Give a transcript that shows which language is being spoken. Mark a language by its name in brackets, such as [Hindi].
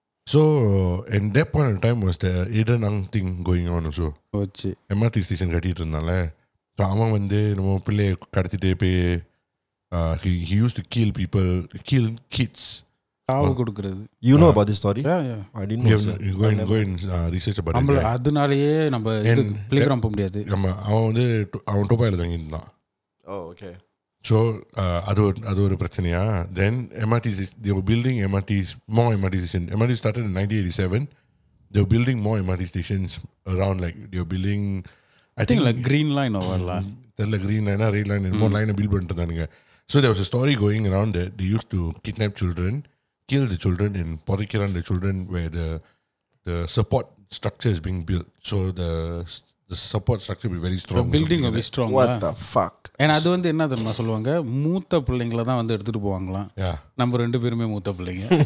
[English] So, at that point in time, was the Aidan Ang thing going on also. Okay. MRT station got hit. So, he used to kill people, kill kids. You know about this story? Yeah. I didn't know. Go and research about it. [Tamil] அதனாலேயே நம்ம playground போக முடியாது. ஆமா, அவன் டோபாயில் தங்கியிருந்தான். [English] Oh, okay. [Tamil] So, adu oru prachaniya. [English] Then, MRTs, they were building MRTs, more MRT stations. MRT started in 1987. They were building more MRT stations around, like, they were building, I think like Green Line or what? There's like Green Line, Red Line, and more line build burnt. So, there was a story going around that they used to kidnap children, kill the children, and podikiran the children where the support structure is being built. So, the support structure will be very strong. The building will be strong. What the fuck? [Tamil] And அது வந்து என்ன தெரியுமா சொல்லுவாங்க மூத்த பிள்ளைங்களை தான் வந்து எடுத்துட்டு போவாங்களாம் நம்ம ரெண்டு பேருமே மூத்த பிள்ளைங்க